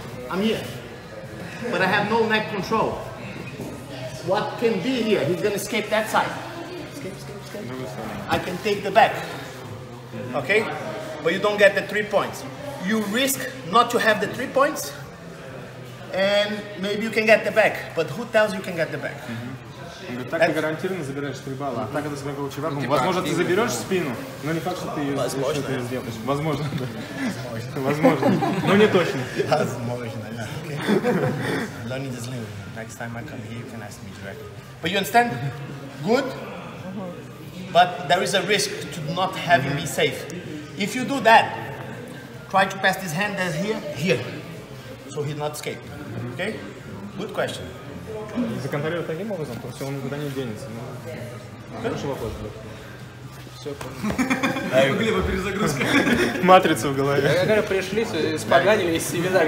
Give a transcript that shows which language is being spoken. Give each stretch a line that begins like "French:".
English: I'm here, but I have no neck control. What can be here, he's gonna escape that side. I can take the back, okay? But you don't get the 3 points. You risk not to have the 3 points, and maybe you can get the back. But who tells you can get the back? Mm-hmm.
Russian: Так ты гарантированно забираешь 3 балла, mm-hmm. А так это себя получишь вверху. Возможно, ты заберешь спину, но не факт, что ты ее сделаешь. Возможно, да. Возможно. Но не точно. Возможно, да.
English: Okay. Learning is living. Next time I come here, you can ask me directly. But you understand? Good? But there is a risk to not having me safe. If you do that, try to pass this hand that's here, here. so he not escape. Mm-hmm. Okay? Good question.
Russian: Законтролировать таким образом, то все, он никуда не денется. Хороший вопрос был. Все, понял. Глеба, перезагрузка. Матрица в голове. Я говорю, пришли, испоганили весь семинар.